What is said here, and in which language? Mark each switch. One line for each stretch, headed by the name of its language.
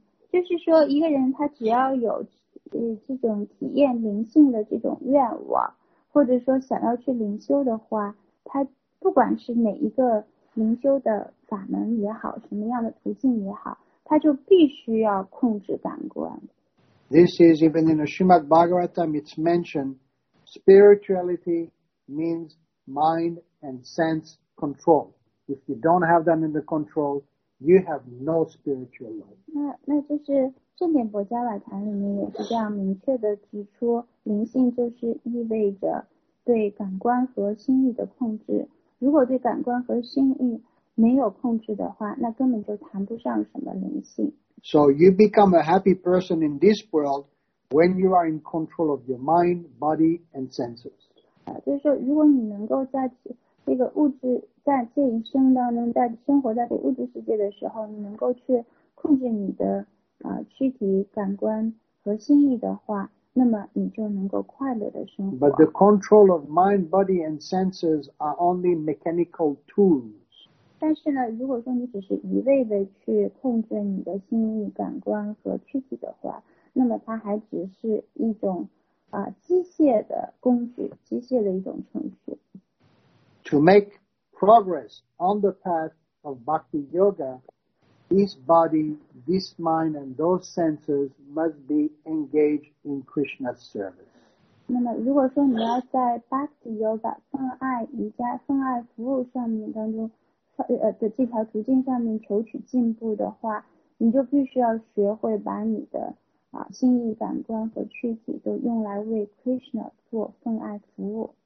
Chinese: 就是说一个人他只要有这种体验灵性的这种愿望，或者说想要去灵修的话，他不管是哪一个灵修的法门也好，什么样的途径也好，他就必须要控制感官。
English: This is even in the Srimad Bhagavatam, it's mentioned spirituality means mind and sense control. If you don't have that in the control, you have no spiritual life.
Chinese: 那就是圣典薄伽瓦坛里面也是这样明确的指出，灵性就是意味着对感官和心意的控制。如果对感官和心意没有控制的话，那根本就谈不上什么灵性。
English: So you become a happy person in this world when you are in control of your mind, body, and senses.
Chinese: 就是说，如果你能够在那个物质在这一生当中，在生活在这物质世界的时候，你能够去控制你的。躯体感官和心意的话，那么你就能够快乐的生活。
English: But the control of mind, body, and senses are only mechanical tools.
Chinese: 但是呢，如果说你只是一味的去控制你的心意、感官和躯体的话，那么它还只是一种机械的工具，机械的一种程序。
English: To make progress on the path of Bhakti Yoga, this body, this mind, and those senses must be engaged in Krishna's service.
Chinese: 那么如果说你要在 Bhakti Yoga 泛爱瑜伽泛爱服务上面当中的这条途径上面求取进步的话，你就必须要学会把你的心意感官和躯体都用来为 Krishna 做奉爱服务。